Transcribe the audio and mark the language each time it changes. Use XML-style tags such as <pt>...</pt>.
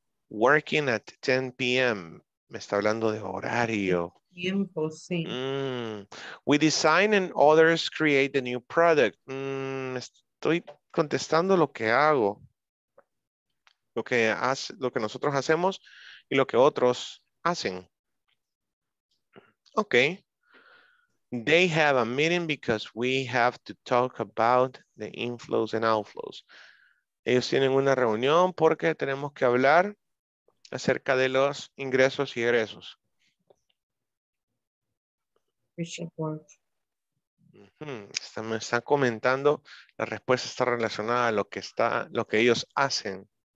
<en>Working at 10 p.m.</en> <es>Me está hablando de horario. Tiempo, sí.</es> <en>We design and others create a new product.</en> <es>Estoy contestando lo que hago. Lo que nosotros hacemos y lo que otros hacen.</es> <en>Okay. They have a meeting because we have to talk about the inflows and outflows.</en> <es>Ellos tienen una reunión porque tenemos que hablar acerca de los ingresos y egresos. Me están comentando, la respuesta está relacionada a lo que ellos hacen.</es>